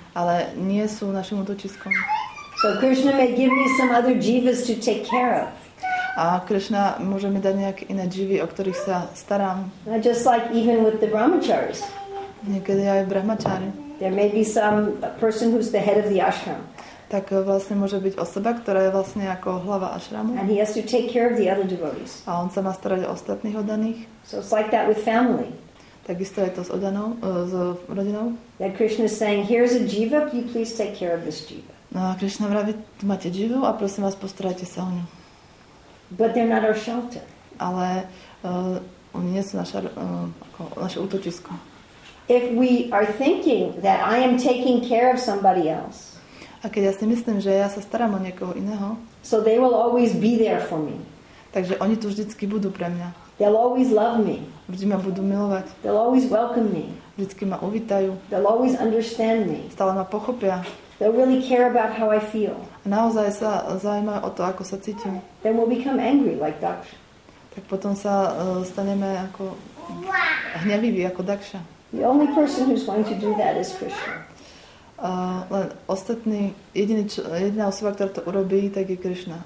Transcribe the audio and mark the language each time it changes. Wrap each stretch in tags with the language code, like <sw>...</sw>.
<sk>Ale nie sú našim útočiskom.</sk> <en>So Krishna may give me some other jivas to take care of.</en> <sk>A Krishna môže mi dať nejaké iné jivy, o ktorých sa starám.</sk> <en>Not just like even with the brahmacharis.</en> <sk>Niekedy aj brahmachari.</sk> <en>There may be some person who's the head of the ashram.</en> <sk>Tak vlastne môže byť osoba, ktorá je vlastne ako hlava ashramu.</sk> <en>And he has to take care of the other devotees.</en> <sk>A on sa má starať o ostatných oddaných.</sk> <en>So it's like that with family.</en> <sk>Takisto je to s oddanou, so rodinou.</sk> <en>That Krishna is saying, here's a jiva, you please take care of this jiva.</en> <sk>No a Krishna vraví, tu máte jivu a prosím vás, postarajte sa o ňu.</sk> <en>But they're not our shelter.</en> <sk>Ale oni nie sú naše útočisko.</sk> <en>If we are thinking that I am taking care of somebody else.</en> <sk>A keď ja si myslím, že ja sa starám o niekoho iného.</sk> <en>So they will always be there for me.</en> <sk>Takže oni tu vždycky budú pre mňa.</sk> <en>They'll always love me.</en> <sk>Vždy ma budú milovať.</sk> <en>They'll always welcome me.</en> <sk>Vždycky ma uvítajú.</sk> <en>They'll always understand me.</en> <sk>Stále ma pochopia.</sk> <en>They'll really care about how I feel.</en> <sk>A naozaj sa zaujímajú o to, ako sa cítim.</sk> <en>Then we'll become angry like Daksha.</en> <sk>Tak potom sa staneme ako hnevivý ako Daksha.</sk> <en>The only person who's going to do that is Krishna.</en> <sk>Len ostatný, jediná osoba, ktorá to urobí, tak je Krishna.</sk>